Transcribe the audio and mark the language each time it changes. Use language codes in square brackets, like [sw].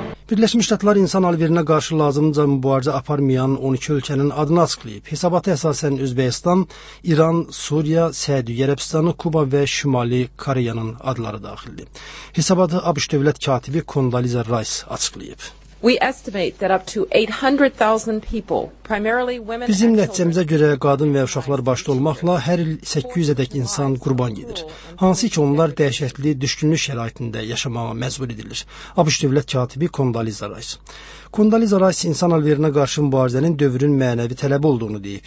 [az] Birləşmiş Ştatlar insan alverinə qarşı lazımca mübarizə aparmayan 12 ölkənin adını açıqlayıb. Hesabata əsasən Özbəkistan, İran, Suriya, Səudiyyə Ərəbistanı, Kuba və Şimali Koreyanın adları daxildir. Hesabatı ABŞ dövlət katibi Condoleezza Rice açıqlayıb. [en] We estimate that up to 800,000 people, primarily women and children. [az] Bizim nəticəmizə görə qadın və uşaqlar başda olmaqla hər il 800 ədək insan qurban gedir. Hansı ki, onlar dəhşətli düşkünlük şəraitində yaşamağa məcbur edilir. ABŞ dövlət katibi Condoleezza Rice. Condoleezza Rice insan alverinə qarşı mübarizənin dövrün mənəvi tələbi olduğunu deyib.